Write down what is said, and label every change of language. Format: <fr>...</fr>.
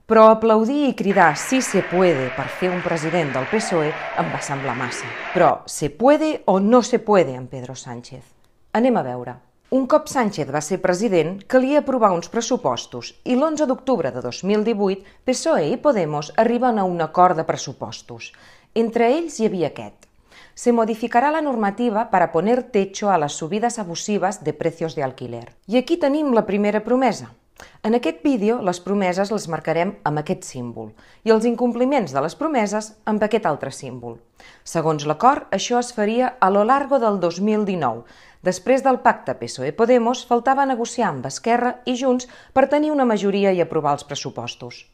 <ca>Però aplaudir i cridar</ca> <es>«Sí se puede»</es> <ca>per fer un president del PSOE em va semblar massa. Però «se puede» o «no se puede» amb Pedro Sánchez? Anem a veure. Un cop Sánchez va ser president, calia aprovar uns pressupostos i l'11 d'octubre de 2018 PSOE i Podemos arriben a un acord de pressupostos. Entre ells hi havia aquest.</ca> <es>Se modificará la normativa para poner techo a las subidas abusivas de precios de alquiler.</es> <ca>I aquí tenim la primera promesa. En aquest vídeo, les promeses les marcarem amb aquest símbol i els incompliments de les promeses amb aquest altre símbol. Segons l'acord, això es faria</ca> <es>a lo largo del 2019.</es> <ca>Després del pacte PSOE-Podemos, faltava negociar amb Esquerra i Junts per tenir una majoria i aprovar els pressupostos.</ca>